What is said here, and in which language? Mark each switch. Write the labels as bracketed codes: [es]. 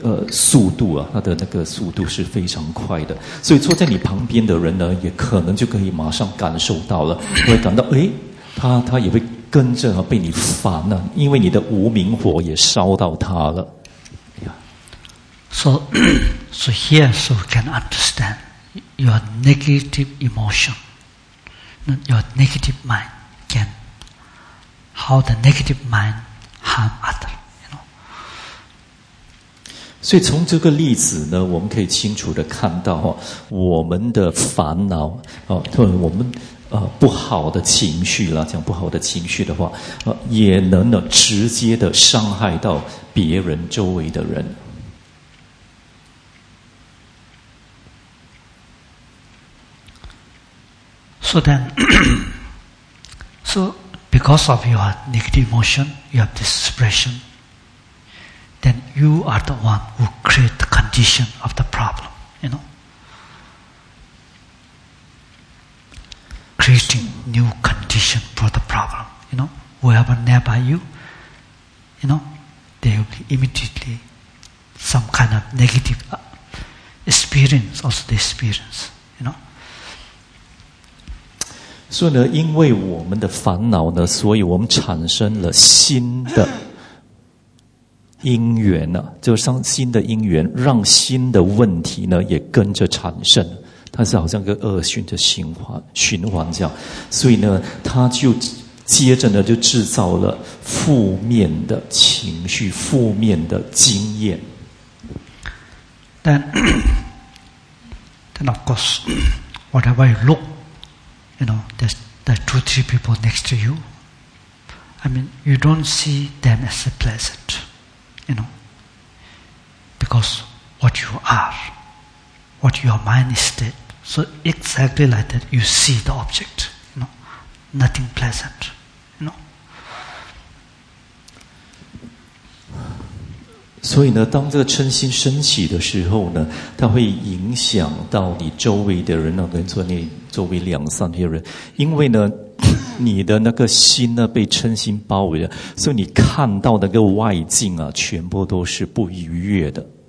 [zh] 速度啊，他的那个速度是非常快的，所以坐在你旁边的人呢，也可能就可以马上感受到了，会感到哎，他也会跟着和被你烦了，因为你的无明火也烧到他了。 [en] So here, so can understand your negative emotion, your negative mind can how the negative mind harm other. You know. [zh] 所以从这个例子呢，我们可以清楚的看到哈，我们的烦恼哦，对我们。不好的情绪啦，讲不好的情绪的话，也能呢直接的伤害到别人周围的人。 [en] So then, so because of your negative emotion, you have this expression. Then you are the one who create the condition of the problem. You know. Creating new condition for the problem, you know, whoever nearby you, you know, there will be immediately some kind of negative experience, also the experience, you know. [zh] 所以呢，因为我们的烦恼呢，所以我们产生了新的因缘呢，就是新的因缘，让新的问题呢也跟着产生。它是好像个恶性的循环这样，所以呢，它就接着呢就制造了负面的情绪、负面的经验。 [en] Then of course, whatever you look, you know, there's the two, three people next to you. I mean, you don't see them as a pleasant, you know, because what you are, what your mind is that. So exactly like that, you see the object, you know, nothing pleasant, you know. [zh] 所以呢，当这个嗔心升起的时候呢，它会影响到你周围的人呢，跟说你周围两三些人，因为呢，你的那个心呢被嗔心包围了，所以你看到那个外境啊，全部都是不愉悦的。